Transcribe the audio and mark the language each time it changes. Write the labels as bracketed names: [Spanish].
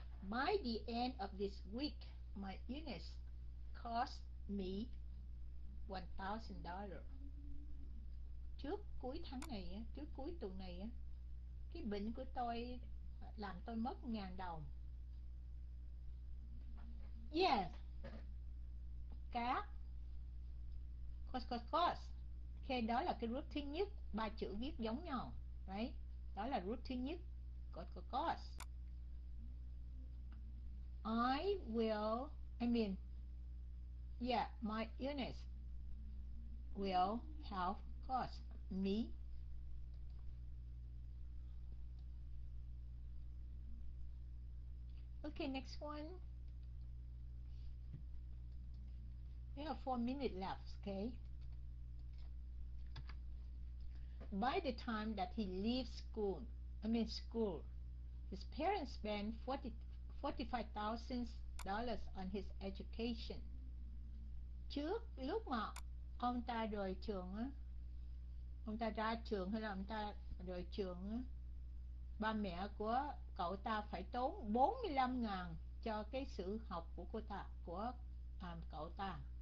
[English] By the end of this week, my illness cost me $1,000. [Vietnamese] Trước cuối tuần này á, cái bệnh của tôi làm tôi mất 1.000 đồng. [English] Yeah. Cá. Cost, cost, cost. [Vietnamese] Ok, đó là cái routine nhất, ba chữ viết giống nhau. Đấy, đó là routine nhất của course. [English] I will, I mean, yeah, my illness will have cost me okay, next one. We have 4 minutes left, okay? By the time that he leaves school, I mean school, his parents spend $45,000 on his education. [Vietnamese] Trước lúc mà ông ta rời trường á, ông ta ra trường hay là ông ta rời trường á, ba mẹ của cậu ta phải tốn 45 ngàn cho cái sự học của cô ta, của cậu ta.